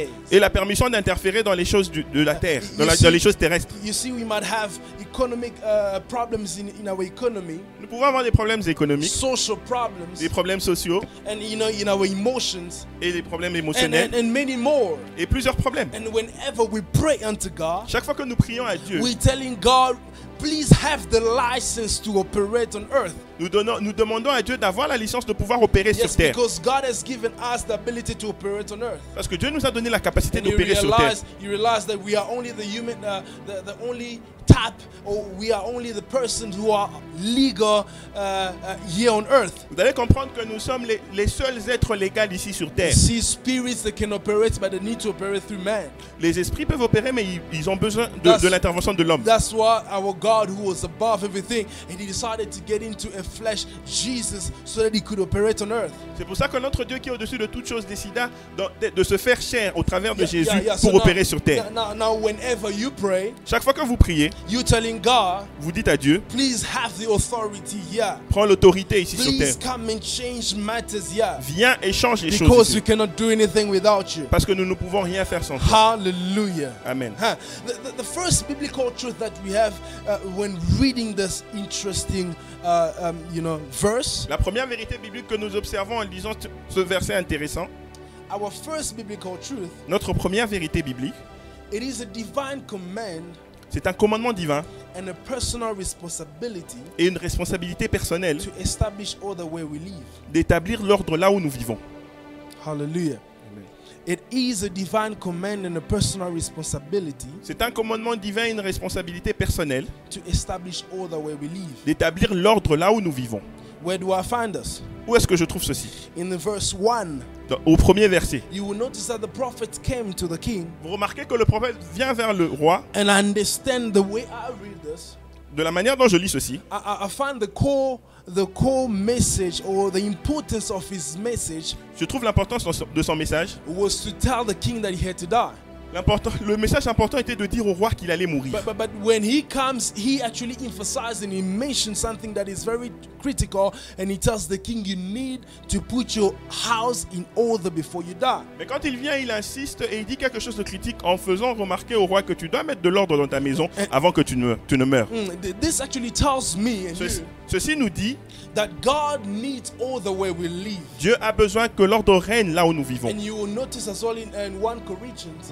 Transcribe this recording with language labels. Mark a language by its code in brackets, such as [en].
[fr] Et la permission d'interférer dans les choses de la terre, dans les choses terrestres. [en] You see, we might have, it economic problems in our economy. [fr] Nous pouvons avoir des problèmes économiques. [en] Social problems. [fr] Des problèmes sociaux. [en] And you know, in our emotions. [fr] Et des problèmes émotionnels. [en] And many more. [fr] Et plusieurs problèmes. [en] And whenever we pray unto God. [fr] Chaque fois que nous prions à Dieu. [en] We're telling God, please have the license to operate on earth. [fr] Nous demandons à Dieu d'avoir la licence de pouvoir opérer [en] yes, [fr] sur terre. [en] Because God has given us the ability to operate on earth. [fr] Parce que Dieu nous a donné la capacité [en] and [fr] d'opérer [en] you realize, [fr] sur terre. [en] You realize that we are only the human, the only type, or we are only the person who are legal here on earth. [fr] Vous allez comprendre que nous sommes les seuls êtres légaux ici sur terre. [en] See spirits that can operate, but they need to operate through man. [fr] Les esprits peuvent opérer, mais ils ont besoin de l'intervention de l'homme. [en] That's why our God, who was above everything, and He decided to get into a flesh, Jesus, so that He could operate on earth. [fr] C'est pour ça que notre Dieu qui est au-dessus de toutes choses décida de se faire chair au travers de Jésus pour opérer sur terre. [en] Now, whenever you pray, [fr] chaque fois que vous priez, [en] you're telling God, [fr] vous dites à Dieu, [en] please have the authority here. [fr] Prends l'autorité ici [en] please [fr] sur terre. [en] Please come and change matters here. [fr] Viens et change les [en] because [fr] choses. [en] Because we cannot do anything without you. [fr] Parce que nous ne pouvons rien faire sans toi. Hallelujah. Amen. [en] The first biblical truth that we have when reading this interesting verse. [fr] La première vérité biblique que nous observons en lisant ce verset intéressant. [en] Our first biblical truth. [fr] Notre première vérité biblique. [en] It is a divine command. [fr] C'est un commandement divin. [en] And a personal responsibility. [fr] Et une responsabilité personnelle. [en] To establish order where we live. [fr] D'établir l'ordre là où nous vivons. Hallelujah. [en] It is a divine command and a personal responsibility. [fr] C'est un commandement divin et une responsabilité personnelle. [en] To establish order where we live. [fr] D'établir l'ordre là où nous vivons. [en] Where do I find us? [fr] Où est-ce que je trouve ceci? [en] In the verse 1. [fr] Au premier verset. [en] You will notice that the prophet came to the king. [fr] Vous remarquez que le prophète vient vers le roi. [en] And I understand the way I read this. [fr] De la manière dont je lis ceci. [en] I find the core message or the importance of his message. [fr] Je trouve l'importance de son message. [en] Was to tell the king that he had to die. [fr] Le message important était de dire au roi qu'il allait mourir. [en] But when he comes, he actually emphasizes and he mentions something that is very critical, and he tells the king, "You need to put your house in order before you die." [fr] Mais quand il vient, il insiste et il dit quelque chose de critique en faisant remarquer au roi que tu dois mettre de l'ordre dans ta maison avant que tu ne meures. [en] This actually tells me and [fr] ceci, [en] you, [fr] ceci nous dit [en] that God needs order where we live. [fr] Dieu a besoin que l'ordre règne là où nous vivons. [en] And you will notice as well in 1 Corinthians.